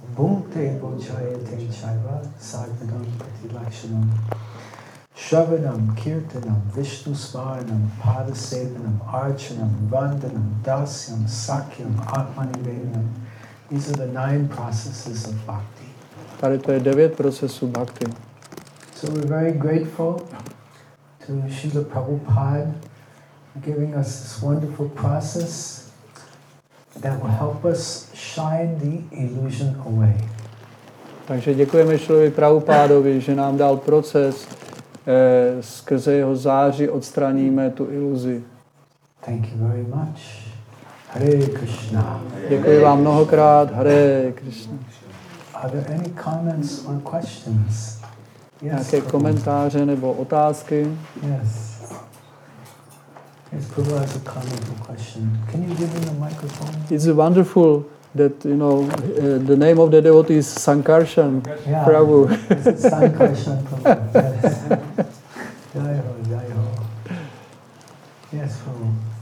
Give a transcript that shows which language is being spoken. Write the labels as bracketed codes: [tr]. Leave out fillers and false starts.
[sa] Bhunkte bojayate chaiva sarvadam patilakshanam shravanam kirtanam vishnu smaranam padasevanam archanam vandanam dasyam sakyam atmanivedanam. [en] These are the nine processes of bhakti. [cs] Tady to je devět procesů bhakti. [en] So we're very grateful to Srila Prabhupada giving us this wonderful process that will help us shine the illusion away. [cs] Takže děkujeme Šilovi Prabhupádovi, že nám dal proces, skrze jeho září odstraníme tu iluzi. [en] Thank you very much. Hare Krishna. [cs] Děkuji vám mnohokrát. Hare Krishna. [en] Are there any comments or questions? [cs] Yes, nějaké komentáře nebo otázky? [en] Yes. Yes, Prabhu has a comment or question. Can you give him the microphone? It's wonderful that, you know, the name of the devotee is Sankarshan, yeah, Prabhu. Sankarshan Prabhu. Yes. Jai ho, jai ho. Yes, Prabhu.